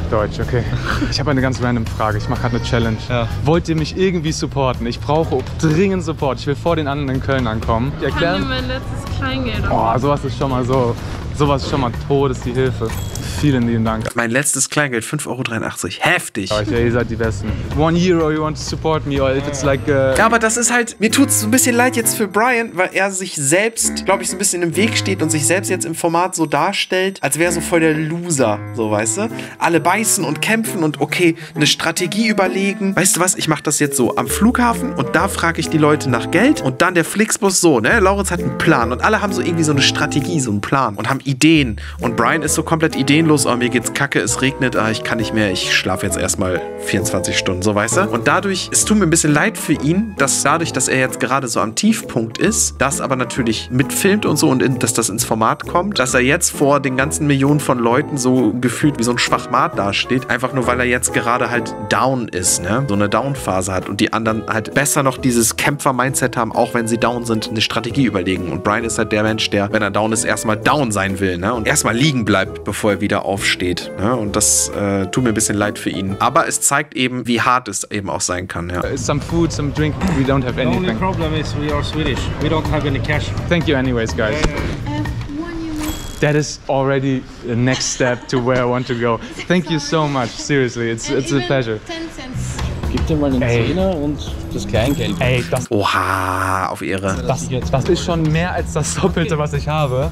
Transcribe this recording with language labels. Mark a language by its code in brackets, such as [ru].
[de] Deutsch, okay. Ich habe eine ganz random Frage. Ich mache gerade eine Challenge. Ja. Wollt ihr mich irgendwie supporten? Ich brauche dringend Support. Ich will vor den anderen in Köln ankommen. Ich kann dir mein letztes Kleingeld auch. Boah, sowas ist schon mal so. Sowas ist schon mal tot, ist die Hilfe. Vielen lieben Dank. Mein letztes Kleingeld, 5,83 Euro. Heftig. Ja, ihr seid die Besten. [en] 1 Euro, you want to support me, or if it's like... [de] Ja, aber das ist halt, mir tut es so ein bisschen leid jetzt für Brian, weil er sich selbst, glaube ich, so ein bisschen im Weg steht und sich selbst jetzt im Format so darstellt, als wäre er so voll der Loser, so, weißt du? Alle beißen und kämpfen und okay, eine Strategie überlegen. Weißt du was, ich mache das jetzt so am Flughafen und da frage ich die Leute nach Geld und dann der Flixbus so, ne? Lauritz hat einen Plan und alle haben so irgendwie so eine Strategie, so einen Plan und haben Ideen. Und Brian ist so komplett Ideen problemlos, oh, mir geht's kacke, es regnet, ah, ich kann nicht mehr, ich schlafe jetzt erstmal 24 Stunden, so weißt du. Und dadurch, es tut mir ein bisschen leid für ihn, dass dadurch, dass er jetzt gerade so am Tiefpunkt ist, das aber natürlich mitfilmt und so und dass das ins Format kommt, dass er jetzt vor den ganzen Millionen von Leuten so gefühlt wie so ein Schwachmat dasteht, einfach nur, weil er jetzt gerade halt down ist, ne, so eine Down-Phase hat und die anderen halt besser noch dieses Kämpfer-Mindset haben, auch wenn sie down sind, eine Strategie überlegen. Und Brian ist halt der Mensch, der, wenn er down ist, erstmal down sein will, ne, und erstmal liegen bleibt, bevor er wieder aufsteht, ne, und das tut mir ein bisschen leid für ihn. Aber es zeigt eben, wie hart es eben auch sein kann, ja. [en] Some food, some drink, we don't have anything. The only problem is we are Swedish, we don't have any cash. Thank you anyways, guys. That is already the next step to where I want to go. Thank you so much, seriously, it's a pleasure. 10 cents. [de] Gib dir mal den Zehner und das Kleingeld. Ey, das... Oha, auf Ehre. Das ist schon mehr als das Doppelte, okay, was ich habe.